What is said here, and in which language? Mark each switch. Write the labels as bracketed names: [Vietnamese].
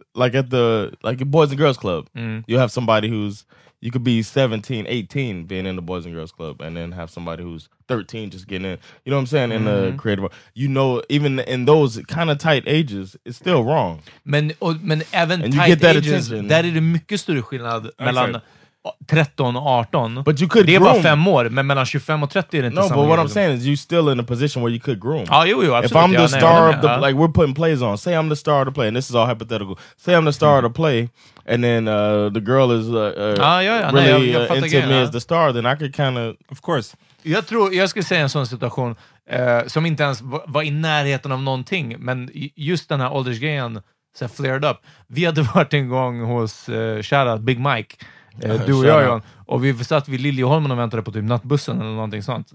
[English] Like at the Boys and Girls Club, you have somebody who's, you could be 17, 18 being in the Boys and Girls Club, and then have somebody who's 13 just getting in. You know what I'm saying? In the creative, you know, even in those kind of tight ages, it's still wrong. [Swedish] Men även [English] tight ages, attention. [Swedish] Där är det mycket större skillnad mellan 13-18. [English] But you could [Swedish] det [English] groom. [Swedish] Det är bara 5 år, men mellan 25 och 30 är det inte [English] no, [Swedish] samma. [English] No, but what I'm saying is you still in a position where you could groom. [Swedish] Ja, jo, absolut. [English] If I'm the star of the, like we're putting plays on. Say I'm the star of the play, and this is all hypothetical. Say I'm the star of the play, and then the girl is really into me as the star, then I could kind of... Of course. [Swedish] Jag tror, jag skulle säga en sån situation som inte ens var i närheten av någonting, men just den här åldersgrejen så flared up. Vi hade varit en gång hos Shara, Big Mike, du och jag, John, och vi satt vid Liljeholmen och väntade på typ nattbussen eller någonting sånt.